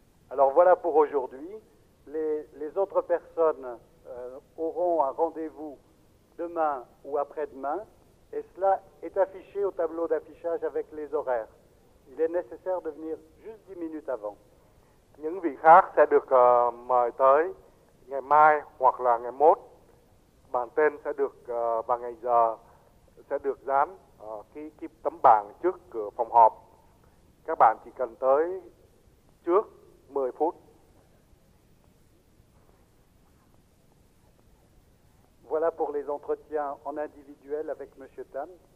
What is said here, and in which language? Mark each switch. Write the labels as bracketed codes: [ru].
[fr] Alors voilà pour aujourd'hui. Les autres personnes auront un rendez-vous demain ou après-demain. Et cela est affiché au tableau d'affichage avec les horaires. Il est nécessaire de venir juste 10 minutes avant. [vi] Những vị khác sẽ được mời tới ngày mai hoặc là ngày mốt. Bản tên sẽ được và ngày giờ sẽ được dán cái tấm bảng trước cửa phòng họp. Các bạn chỉ cần tới trước 10 phút. [fr] Voilà pour les entretiens en individuel avec Monsieur Tan.